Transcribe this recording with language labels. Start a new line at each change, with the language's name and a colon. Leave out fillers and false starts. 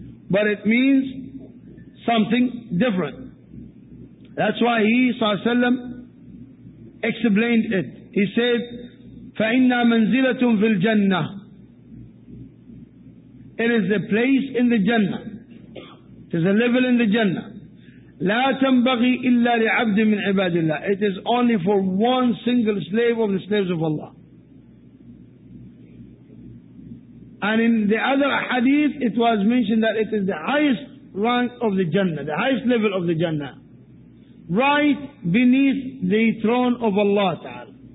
English: But it means something different. That's why he, Sallallahu Alaihi Wasallam, explained it. He said,
Arabic: فَإِنَّا مَنْزِلَةٌ فِي الْجَنَّةِ.
English: It is a place in the Jannah. It is a level in the Jannah.
Arabic: لا تنبغي إلا لعبد من عباد الله.
English: It is only for one single slave of the slaves of Allah. And in the other hadith, it was mentioned that it is the highest rank of the Jannah, the highest level of the Jannah, right beneath the throne of Allah Ta'ala.